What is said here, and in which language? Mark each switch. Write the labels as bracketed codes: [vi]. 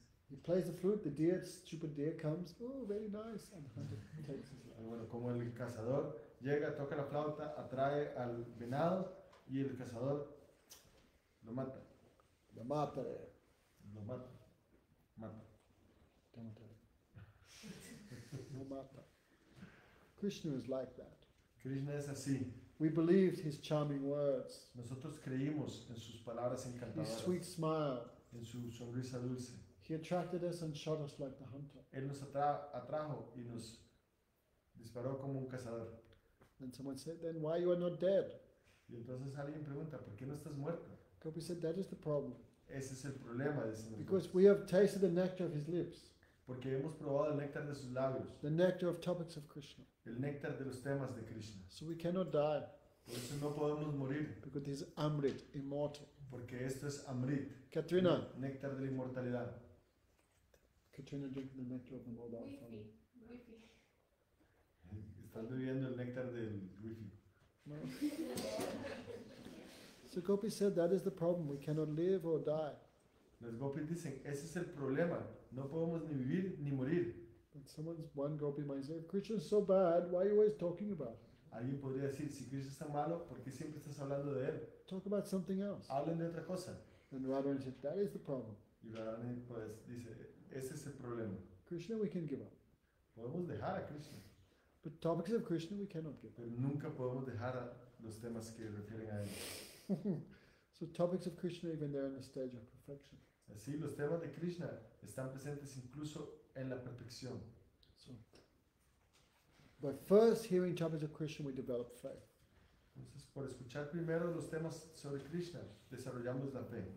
[en] He plays the flute, the deer, stupid deer, comes, oh, very nice, and the hunter takes his life. [es] Bueno, como el cazador llega, toca la flauta, atrae al venado, y el cazador lo mata. Lo mata. Lo mata. Mata. Te mata. Lo mata. [en] Krishna is like that. [es] Krishna es así. [en] We believed his charming words. [es] Nosotros creímos en sus palabras encantadoras. [en] His sweet smile. [es] En su sonrisa dulce. [en] He attracted us and shot us like the hunter. [es] Él nos atrajo y nos disparó como un cazador. [en] And someone said, "Then why you are not dead?" [es] Y entonces alguien pregunta, ¿por qué no estás muerto? [en] Because we said that is the problem. [es] Ese es el problema, decimos. [en] Because we have tasted the nectar of his lips. [es] Porque hemos probado el néctar de sus labios. [en] The nectar of topics of Krishna. [es] El néctar de los temas de Krishna. [en] So we cannot die. [es] Por eso no podemos morir. [en] Because this is Amrit, immortal. [es] Porque esto es Amrit. Katrina. Néctar de la inmortalidad. [en] Katrina drinking the nectar of the mobile phone. Wifi. [es] Están bebiendo el néctar del Wifi. [en] So Gopi said that is the problem. We cannot live or die. [es] Las gopis dicen, ese es el problema. No podemos ni vivir ni morir. [en] But someone's one gopi might say, Krishna is so bad, why are you always talking about it? [es] Alguien podría decir, si Krishna es tan malo, ¿por qué siempre estás hablando de él? [en] Talk about something else. [es] Hablen de otra cosa. [en] And Radharani said, that is the problem. [es] Y Radharani pues dice, ese es el problema. [en] Krishna we can give up. [es] Podemos dejar a Krishna. [en] But topics of Krishna we cannot give up. [es] Pero nunca podemos dejar a los temas que refieren a él. [en] So topics of Krishna even there in the stage of perfection. [es] Así los temas de Krishna están presentes incluso en la perfección. [en] So, by first hearing topics of Krishna, we develop faith. [es] Entonces, por escuchar primero los temas sobre Krishna, desarrollamos la fe.